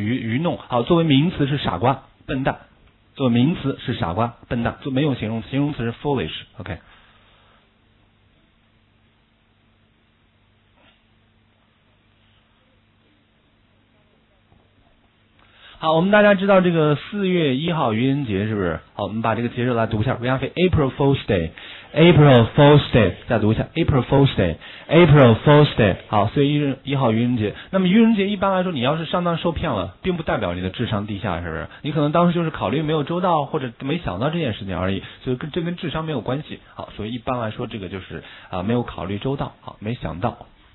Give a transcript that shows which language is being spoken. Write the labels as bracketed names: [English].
[Chinese] 愚弄，好，作为名词是傻瓜，笨蛋。作为名词是傻瓜，笨蛋，就没有形容词，形容词是 foolish，OK、okay。好，我们大家知道这个4月1号愚人节，是不是？好，我们把这个节日来读一下 ， [English] We have April Fool's Day， [Chinese] April Fool's Day， 再读一下 [English] April Fool's Day， April Fool's Day。 [Chinese] 好，4月1号愚人节。那么愚人节一般来说，你要是上当受骗了，并不代表你的智商低下，是不是？你可能当时就是考虑没有周到，或者没想到这件事情而已，所以这跟智商没有关系。好，所以一般来说，这个就是没有考虑周到，好，没想到。